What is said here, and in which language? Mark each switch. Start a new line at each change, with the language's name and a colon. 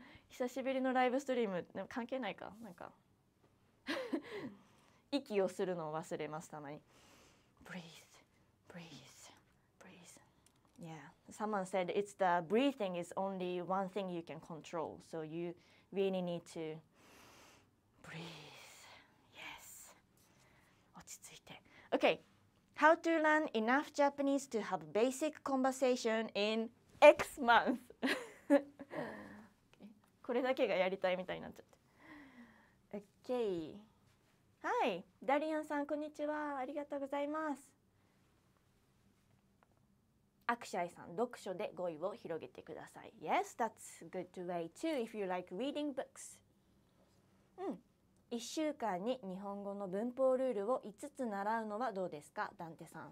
Japanese: 久しぶりのライブストリーム、でも関係ないか、なんか息をするのを忘れます、たまに。
English: Breathe, breathe, breathe. Yeah, someone said it's the breathing is only one thing you can control, so you really need to breathe. Yes.
Japanese: 落ち着いて。
English: OK. How to learn enough Japanese to have basic conversation in X month.
Japanese: これだけがやりたいみたいになっちゃって。
English: OK.
Japanese: はい、ダリアンさん、こんにちは。ありがとうございます。アクシャイさん、読書で語彙を広げてください。
English: Yes, that's a good way too if you like reading books.
Japanese: うん。 1週間に日本語の文法ルールを5つ習うのはどうですか、ダンテさん。